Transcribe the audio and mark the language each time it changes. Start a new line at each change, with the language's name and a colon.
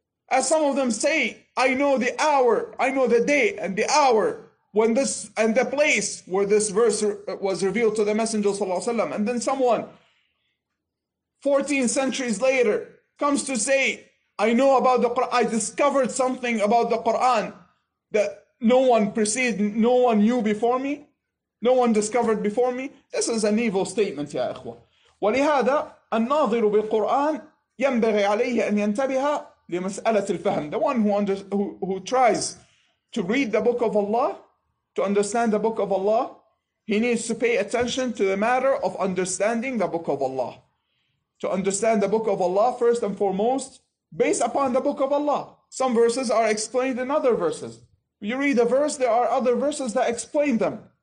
English: As some of them say, I know the hour, I know the day and the hour when this and the place where this verse was revealed to the Messenger sallallahu alaihi wasallam. And then someone 14 centuries later comes to say, I know about the Quran, I discovered something about the Quran that no one preceded, no one knew before me, no one discovered before me. This is an evil statement,
Arabic: يا إخوة. ولهذا الناظر بالقرآن ينبغي عليه أن ينتبه لمسألة الفهم.
English: The one who tries to read the book of Allah, to understand the book of Allah, he needs to pay attention to the matter of understanding the book of Allah. To understand the book of Allah, first and foremost, based upon the book of Allah. Some verses are explained in other verses. You read a verse, there are other verses that explain them.